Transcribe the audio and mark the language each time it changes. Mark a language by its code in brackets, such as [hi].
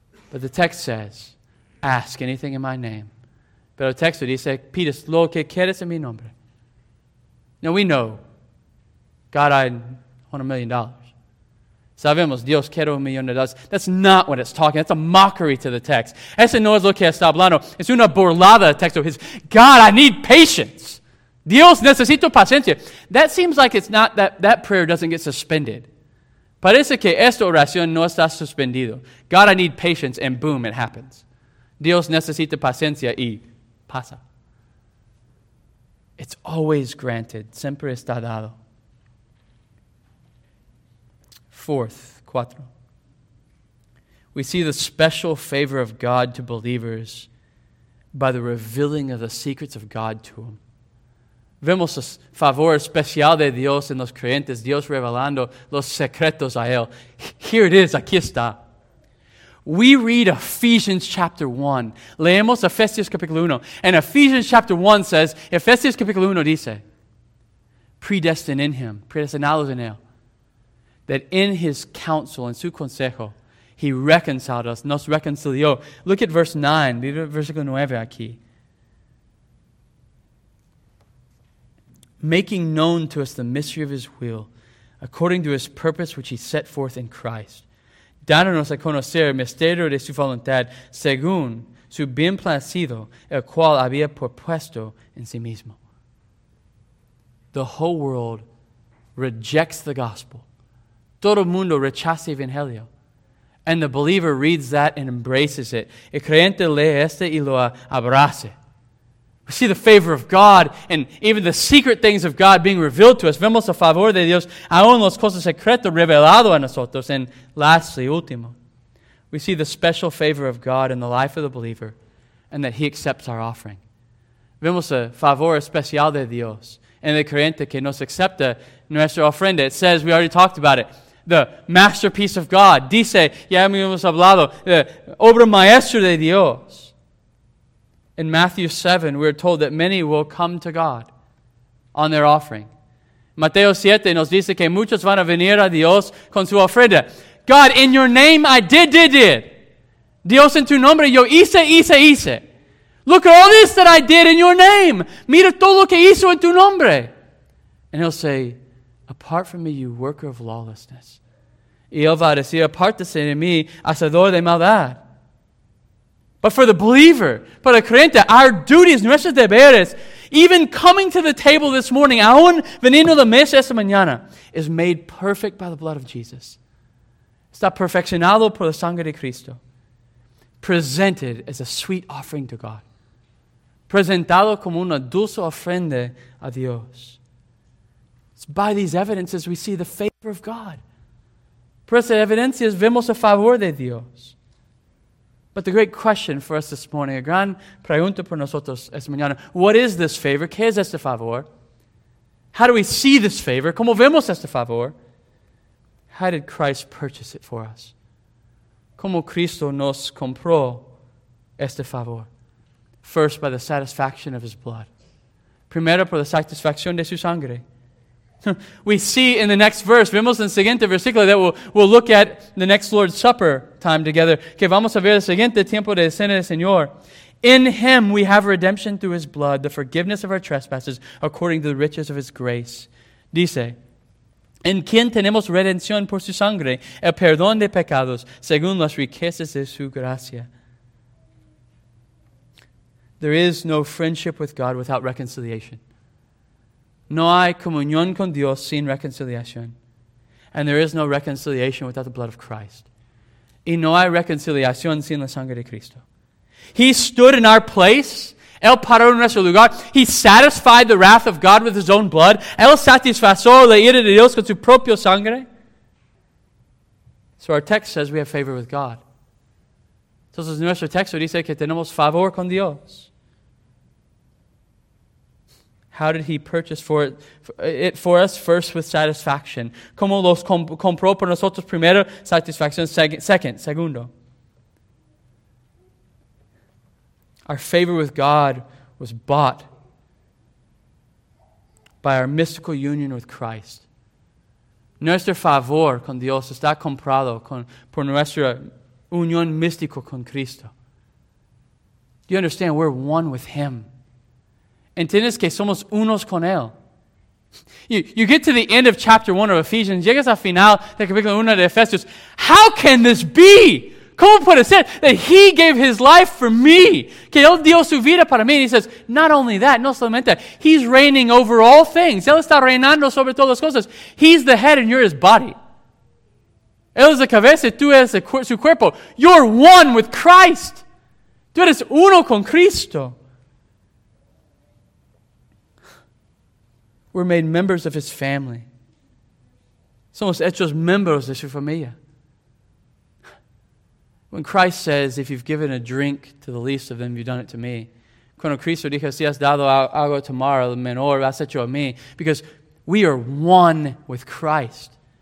[en] But the text says, ask anything in my name. [es] Pero el texto dice, pides lo que quieres en mi nombre. [en] Now we know, God, I want $1 million. [es] Sabemos, Dios, quiero [en] $1 million. That's not what it's talking. That's a mockery to the text. [es] Ese no es lo que está hablando. Es una burlada del texto. [en] It's, God, I need patience. [es] Dios, necesito paciencia. [en] That seems like it's not that prayer doesn't get suspended. [es] Parece que esta oración no está suspendido. [en] God, I need patience, and boom, it happens. [es] Dios, necesito paciencia, y pasa. [en] It's always granted. [es] Siempre está dado. [en] Fourth, [es] cuatro. [en] We see the special favor of God to believers by the revealing of the secrets of God to them. [es] Vemos el favor especial de Dios en los creyentes, Dios revelando los secretos a él. [en] Here it is, [es] aquí está. [en] We read Ephesians chapter 1. [es] Leemos Efesios capítulo 1. [en] And Ephesians chapter 1 says, [es] Efesios capítulo 1 dice, [en] predestined in him, [es] predestinados en él, [en] that in his counsel, [es] en su consejo, [en] he reconciled us, [es] nos reconcilió. [en] Look at verse 9, [es] versículo 9 aquí. [en] Making known to us the mystery of his will, according to his purpose which he set forth in Christ. [es] Dándonos a conocer el misterio de su voluntad, según su bien placido, el cual había propuesto en sí mismo. [en] The whole world rejects the gospel. [es] Todo el mundo rechaza el evangelio. [en] And the believer reads that and embraces it. [es] El creyente lee este y lo abraza. [en] We see the favor of God and even the secret things of God being revealed to us. [es] Vemos el favor de Dios aún los cosas secretos revelado a nosotros. [en] And lastly, [es] último, [en] we see the special favor of God in the life of the believer and that he accepts our offering. [es] Vemos el favor especial de Dios en el creyente que nos acepta nuestra ofrenda. [en] It says, we already talked about it, the masterpiece of God. [es] Dice, ya hemos hablado, the obra maestra de Dios. [en] In Matthew 7, we're told that many will come to God on their offering. [es] Mateo 7 nos dice que muchos van a venir a Dios con su ofrenda. [en] God, in your name, I did. [es] Dios, en tu nombre, yo hice. [en] Look at all this that I did in your name. [es] Mira todo lo que hizo en tu nombre. [en] And he'll say, apart from me, you worker of lawlessness. [es] Y él va a decir, apártese de mí, hacedor de maldad. [en] But for the believer, for the creyente, our duties, [es] nuestros deberes, [en] even coming to the table this morning, [es] aún veniendo la mesa esta mañana, [en] is made perfect by the blood of Jesus. [es] Está perfeccionado por la sangre de Cristo. [en] Presented as a sweet offering to God. [es] Presentado como una dulce ofrenda a Dios. [en] It's by these evidences we see the favor of God. [es] Por esas evidencias vemos el favor de Dios. [en] But the great question for us this morning, [es] a gran pregunta por nosotros esta mañana, [en] what is this favor? [es] ¿Qué es este favor? [en] How do we see this favor? [es] ¿Cómo vemos este favor? [en] How did Christ purchase it for us? [es] ¿Cómo Cristo nos compró este favor? [en] First, by the satisfaction of his blood. [es] Primero, por la satisfacción de su sangre. [en] We see in the next verse, [es] vemos en el siguiente versículo [en] that we'll look at the next Lord's Supper time together. [es] Que vamos a ver el siguiente tiempo de cena del Señor. [en] In him we have redemption through his blood, the forgiveness of our trespasses according to the riches of his grace. [es] Dice, en quien tenemos redención por su sangre, el perdón de pecados según las riquezas de su gracia. [en] There is no friendship with God without reconciliation. [es] No hay comunión con Dios sin reconciliación. [en] And there is no reconciliation without the blood of Christ. [es] Y no hay reconciliación sin la sangre de Cristo. [en] He stood in our place. [es] Él paró en nuestro lugar. [en] He satisfied the wrath of God with his own blood. [es] Él satisfizó la ira de Dios con su propia sangre. [en] So our text says we have favor with God. [es] Entonces nuestro texto dice que tenemos favor con Dios. [en] How did he purchase for us? First, with satisfaction. [es] ¿Cómo los compró por nosotros? Primero, satisfacción. Segundo. [en] Our favor with God was bought by our mystical union with Christ. [es] Nuestro favor con Dios está comprado por nuestra unión mística con Cristo. [en] Do you understand? We're one with Him. [es] ¿Entiendes que somos unos con Él? [en] You get to the end of chapter 1 of Ephesians, [es] llegas al final del capítulo 1 de Efesios. [en] How can this be? [es] ¿Cómo puede ser [en] that He gave His life for me? [es] Que Él dio su vida para mí. [en] And He says, not only that, [es] no solamente that. [en] He's reigning over all things. [es] Él está reinando sobre todas las cosas. [en] He's the head and you're His body. [es] Él es la cabeza y tú eres su cuerpo. [en] You're one with Christ. [es] Tú eres uno con Cristo. [en] We're made members of His family. [es] Somos hechos miembros de su familia. [en] When Christ says, if you've given a drink to the least of them, you've done it to me. [es] Cuando Cristo dijo, si has dado algo tomar al menor, has hecho a mí. [en] Because we are one with Christ.